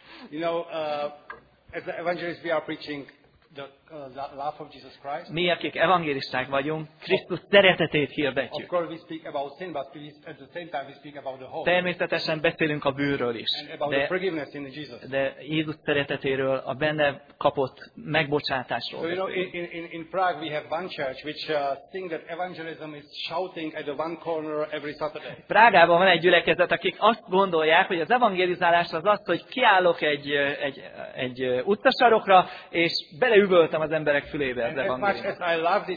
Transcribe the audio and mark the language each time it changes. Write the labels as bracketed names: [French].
[English] You know, as the evangelists, we are preaching the love of Jesus Christ. [Hungarian] Mi, akik evangelisták vagyunk, Krisztus szeretetét hirdetjük. [English] Of course, we speak about sin, but at the same time, we speak about the hope. [Hungarian] Természetesen beszélünk a bűnről is. [English] And about the forgiveness in Jesus. [Hungarian] De Jézus szeretetéről, a benne kapott megbocsátásról. [English] So you know, in Prague, we have one church which thinks that evangelism is shouting at the one corner every Saturday. [Hungarian] Prágában van egy gyülekezet, akik azt gondolják, hogy az evangelizálás az az, hogy kiállok egy utcasarokra és beleüvöltem az emberek fülébe az